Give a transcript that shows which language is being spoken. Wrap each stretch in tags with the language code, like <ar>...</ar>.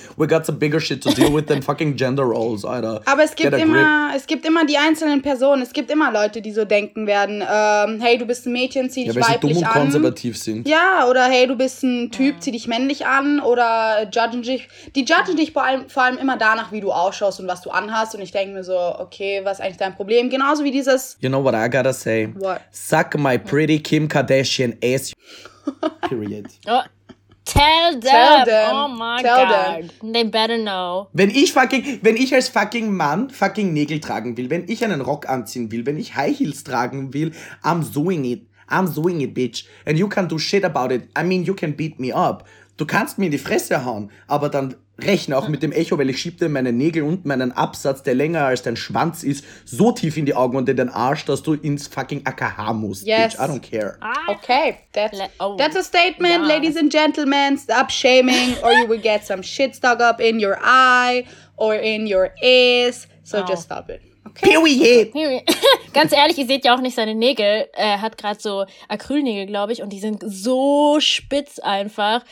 <en>We got some bigger shit to deal with than fucking gender roles, Alter.</en> <de>Aber es gibt immer die einzelnen Personen. Es gibt immer Leute, die so denken werden, hey, du bist ein Mädchen, zieh dich weiblich an. Ja, weil sie dumm und konservativ sind. Ja, oder hey, du bist ein Typ, zieh dich männlich an. Oder judgen dich vor allem immer danach, wie du ausschaust und was du anhast. Und ich denke mir so, okay, was ist eigentlich dein Problem? Genauso wie dieses...</de> <en>You know what I gotta say? What? Suck my pretty Kim Kardashian ass. Period. Oh, tell them. Oh my god. They better know.</en> <de>Wenn ich als fucking Mann fucking Nägel tragen will, wenn ich einen Rock anziehen will, wenn ich High Heels tragen will,</de> <en>I'm doing it, bitch. And you can do shit about it. I mean, you can beat me up.</en> <de>Du kannst mir in die Fresse hauen, aber dann rechne auch mit dem Echo, weil ich schieb dir meine Nägel und meinen Absatz, der länger als dein Schwanz ist, so tief in die Augen und in den Arsch, dass du ins fucking AKH musst.</de> <en>Yes. Bitch, I don't care. Okay, that's a statement, yeah. Ladies and gentlemen. Stop shaming or you will get some shit stuck up in your eye or in your ears. So just stop it. Okay. Period.</en> <de>Ganz ehrlich, ihr seht ja auch nicht seine Nägel. Er hat gerade so Acrylnägel, glaube ich, und die sind so spitz einfach.</de>